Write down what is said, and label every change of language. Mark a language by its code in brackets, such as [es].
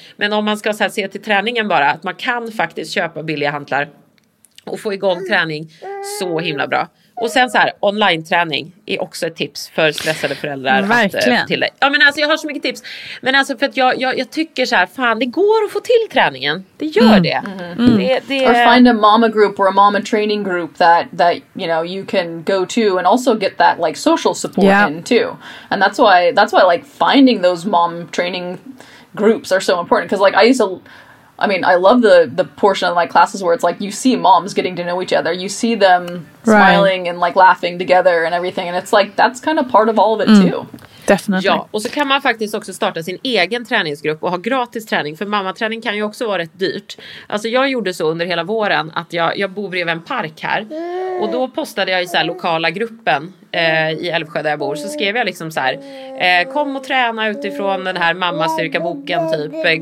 [sv] Men om man ska så här se till träningen bara, att man kan faktiskt köpa billiga hantlar och få igång träning så himla bra. Och sen så här, online-träning är också ett tips för stressade föräldrar. Verkligen. Att, till dig. Ja, men alltså, jag har så mycket tips. Men alltså, för att jag tycker så här, fan, det går att få till träningen. Det gör det. [en] Or find a mama group or a mama training group that you know, you can go to and also get that, like, social support in, too. And that's why, like, finding those mom training groups are so important. Because, like, I love the portion of my classes where it's like you see moms getting to know each other. You see them smiling and like laughing together and everything. And it's like that's kind of part of all of it too. Definitely. [sv] Ja, och så kan man faktiskt också starta sin egen träningsgrupp och ha gratis träning. För mammaträning kan ju också vara rätt dyrt. Alltså jag gjorde så under hela våren att jag bor bredvid en park här. Och då postade jag i så här lokala gruppen i Älvsjö där jag bor. Så skrev jag liksom så här, kom och träna utifrån den här mammastyrkaboken typ.